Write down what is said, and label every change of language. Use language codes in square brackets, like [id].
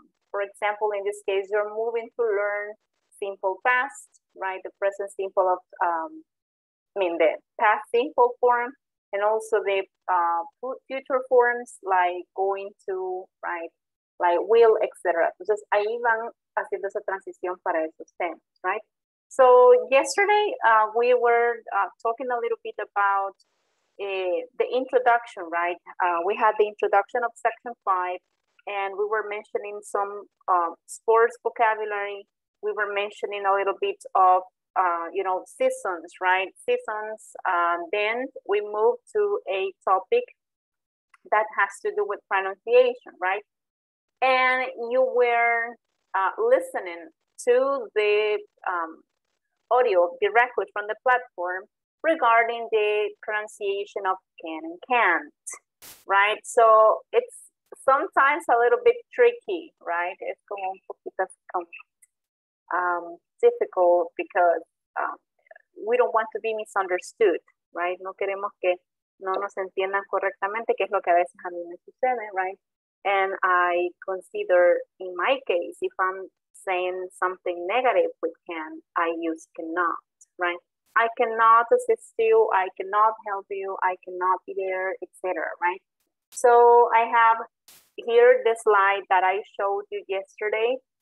[en] For example, in this case, you're moving to learn simple past, right? The present simple of, I mean, the past simple form and also the future forms like going to, right? Like will, etc. [es] Entonces, ahí van haciendo esa transición para esos temas, right? [en] So, yesterday, we were talking a little bit about the introduction, right? We had the introduction of section 5, and we were mentioning some sports vocabulary. We were mentioning a little bit of, you know, seasons, right? Seasons. Then we moved to a topic that has to do with pronunciation, right? And you were listening to the audio directly from the platform regarding the pronunciation of can and can't, right? So it's sometimes a little bit tricky, right? It's [es] como un poquito [en] difficult because we don't want to be misunderstood, right? [es] No queremos que no nos entiendan correctamente, que es lo que a veces a mí me sucede, right? [en] And I consider, in my case, if I'm saying something negative with can, I use cannot, right? I cannot assist you, I cannot help you, I cannot be there, etc., right? So I have here the slide that I showed you yesterday.